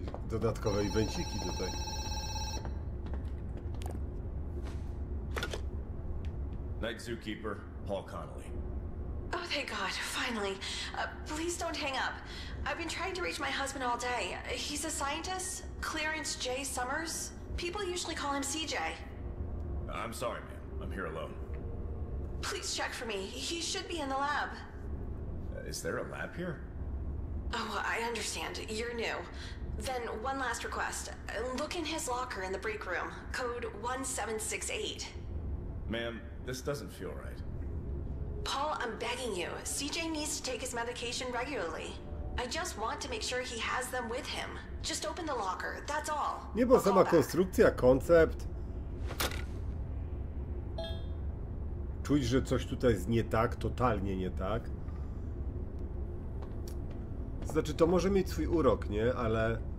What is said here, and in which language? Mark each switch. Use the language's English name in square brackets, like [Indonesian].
[Polish] Dodatkowe iwenciki tutaj. [English] Night zookeeper, Paul Connolly. Oh, thank God, finally. Please don't hang up. I've been trying to reach my husband all day. He's a scientist, Clarence J. Summers. People usually call him CJ. I'm sorry, ma'am. I'm here alone. Please check for me. He should be in the lab. Is there a lab here? Oh, I understand. You're new. Then, one last request. Look in his locker in the break room. Code 1768. Ma'am, this doesn't feel right. Paul, I'm begging you. CJ needs to take his medication regularly. I just want to make sure he has them with him. Just open the locker, that's all. [Polish] Nie, bo sama konstrukcja, koncept. Czuć, że coś tutaj jest nie tak, totalnie nie tak. Znaczy, to może mieć swój urok, nie? Ale...